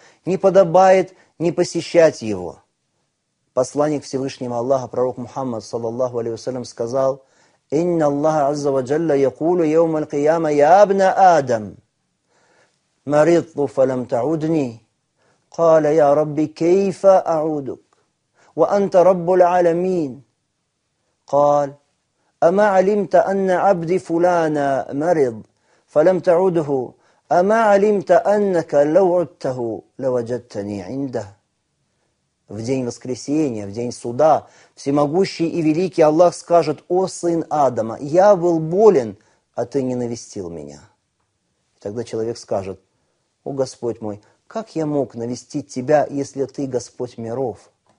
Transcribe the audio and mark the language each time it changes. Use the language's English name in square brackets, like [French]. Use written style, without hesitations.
[Russian] Не подобает не посещать его. Посланник Всевышнего Аллаха, пророк Мухаммад, саллаллаху алейхи вассалям, сказал, [Arabic] «Инна Аллаха азза ва джалля якулу йаум аль-кияма ябна Адам, мариду фалам таудни, каля я рабби кейфа ауду». وأنت رب العالمين قال أما علمت أن عبدي فلانا مرض فلم تعده أما علمت أنك لو عدته لوجدتني عنده. [Russian] В день воскресения, в день суда, всемогущий и великий Аллах скажет: «О сын Адама, я был болен, а ты не навестил меня». Тогда человек скажет: «О Господь мой, как я мог навестить тебя, если ты Господь миров?»